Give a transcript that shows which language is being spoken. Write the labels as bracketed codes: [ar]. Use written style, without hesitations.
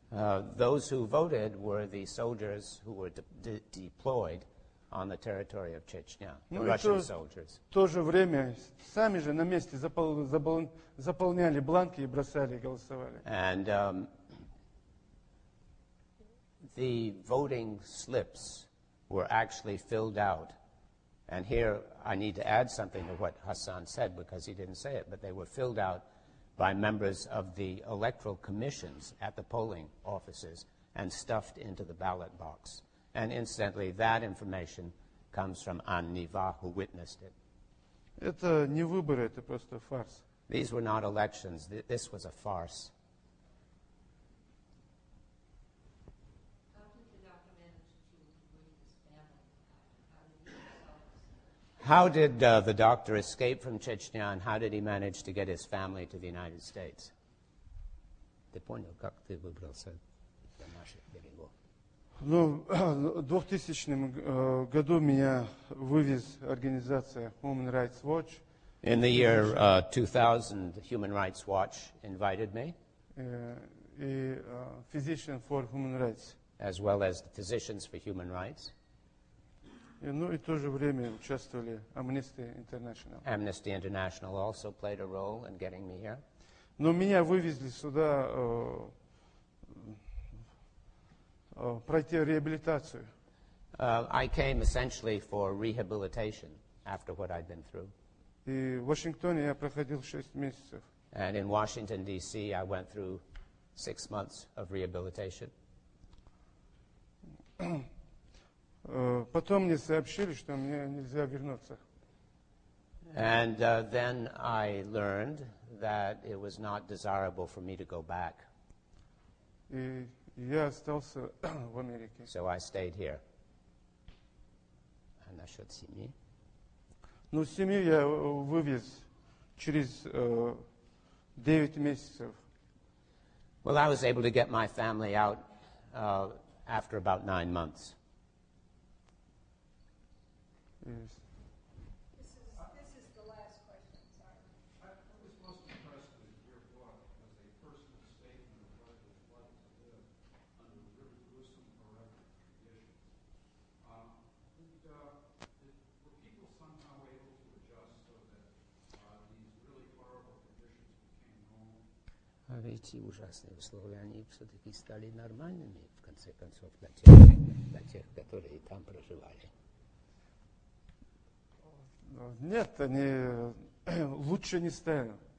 [en] Those who voted were the soldiers who were deployed on the territory of Chechnya, the Russian soldiers. [ru] В то же время сами же на месте заполняли бланки и бросали, голосовали. [en] And the voting slips were actually filled out. And here I need to add something to what Khassan said because he didn't say it, but they were filled out by members of the electoral commissions at the polling offices and stuffed into the ballot box. And incidentally, that information comes from Anne Neva, who witnessed it. [ru] Это не выборы, это просто фарс. [en] These were not elections. This was a farce. How did the doctor escape from Chechnya, and how did he manage to get his family to the United States? [ru] Ты понял, как ты выбрался для наших берегов? Ну, в 2000 году меня вывез организация Human Rights Watch. [en] In the year 2000, Human Rights Watch invited me. [ru] И Physician for Human Rights. [en] As well as the Physicians for Human Rights. [ru] Ну и в то же время участвовали Amnesty International. [en] Amnesty International also played a role in getting me here. [ru] Но меня вывезли сюда пройти реабилитацию. [en] I came essentially for rehabilitation after what I'd been through. [ru] И в Вашингтоне я проходил 6 месяцев. [en] And in Washington, D.C., I went through 6 months of rehabilitation. [ru] Потом мне сообщили, что мне нельзя вернуться. [en] And then I learned that it was not desirable for me to go back. [ru] И я остался в Америке. [en] So I stayed here. [ru] А насчет семьи? Ну, семью я вывез через 9 месяцев. [en] Well, I was able to get my family out after about 9 months. This is the last question, sorry. I was most impressed with your book as a personal statement of what it was like to live under really gruesome, horrific conditions. Were people somehow able to adjust so that these really horrible conditions became normal? [ru] А ведь эти ужасные условия, они все-таки стали нормальными, в конце концов, для тех, которые там проживали. Нет, они лучше не стали.